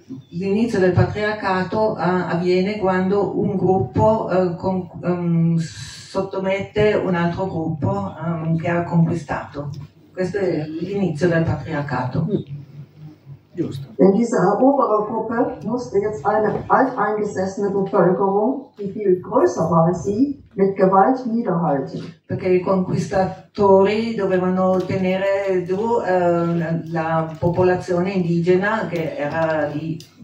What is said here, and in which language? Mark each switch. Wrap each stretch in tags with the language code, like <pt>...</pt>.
<it>L'inizio del patriarcato avviene quando un gruppo sottomette un altro gruppo che ha conquistato. Questo è l'inizio del patriarcato. Giusto. In questa</it> <de>erobere Gruppe musste jetzt eine alteingesessene Bevölkerung, die viel größer war als sie, mit Gewalt niederhalten.</de> <it>Perché i conquistatori dovevano tenere giù la popolazione indigena che era lì.</it>